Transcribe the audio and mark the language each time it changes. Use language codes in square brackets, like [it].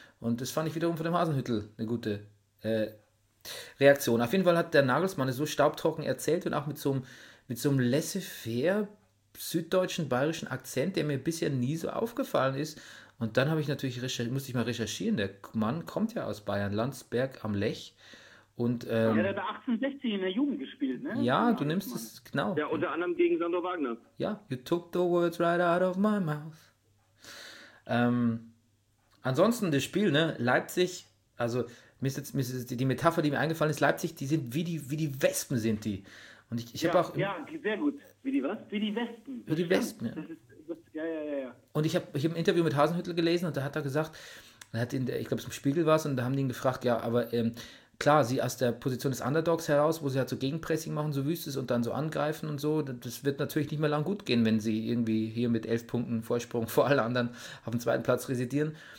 [de] Und das fand ich wiederum von dem Hasenhüttl eine gute Reaktion. Auf jeden Fall hat der Nagelsmann es so staubtrocken erzählt und auch mit so einem laissez-faire süddeutschen bayerischen Akzent, der mir bisher nie so aufgefallen ist. Und dann habe ich natürlich musste ich mal recherchieren. Der Mann kommt ja aus Bayern, Landsberg am Lech. Und, Ja, der hat 1860 in der Jugend gespielt, ne? Ja, du nimmst es, genau. Ja, unter anderem gegen Sandro Wagner. [en] Ja, you took the words right out of my mouth. [de] Ansonsten das Spiel, ne? Leipzig, also die Metapher, die mir eingefallen ist, Leipzig, die sind wie die Wespen sind die. Und ich ja, habe auch. Ja, sehr gut. Wie die was? Wie die Wespen. Wie die Wespen, ja. Ja. Und ich hab ein Interview mit Hasenhüttl gelesen und da hat er gesagt, ich glaube, es im Spiegel war es, und da haben die ihn gefragt, ja, aber klar, sie aus der Position des Underdogs heraus, wo sie halt so Gegenpressing machen, so wüstes und dann so angreifen und so, das wird natürlich nicht mehr lang gut gehen, wenn sie irgendwie hier mit 11 Punkten Vorsprung vor allen anderen auf dem zweiten Platz residieren.